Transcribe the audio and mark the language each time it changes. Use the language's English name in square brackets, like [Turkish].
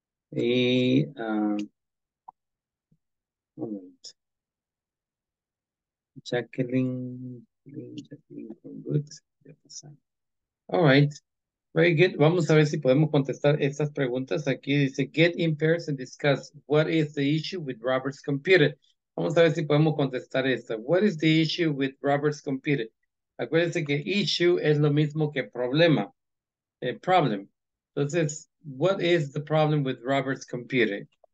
[English] Y, moment. Jacqueline, from Boots. All right. Very good. [Spanish] Vamos a ver si podemos contestar estas preguntas. Aquí dice, [English] get in pairs and discuss what is the issue with Robert's computer. [Spanish] Vamos a ver si podemos contestar esta. [English] What is the issue with Robert's computer? [Spanish] Acuérdense que issue es lo mismo que problema. [English] Problem. [Spanish] Entonces, [English] what is the problem with Robert's computer?